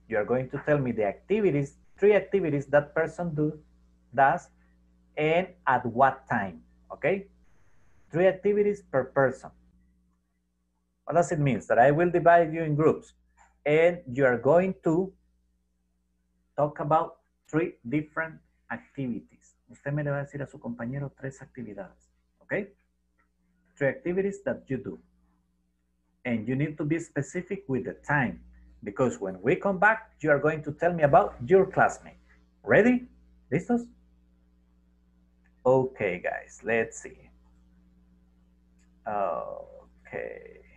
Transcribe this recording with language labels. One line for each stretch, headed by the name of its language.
English: You're going to tell me the activities, three activities that person does and at what time, okay? Three activities per person. What does it mean? That I will divide you in groups and you are going to talk about three different activities.
Spanish: Usted me le va a decir a su compañero tres actividades, okay?
English: Three activities that you do. And you need to be specific with the time, because when we come back, you are going to tell me about your classmate. Ready? ¿Listos? Okay, guys, let's see. Okay.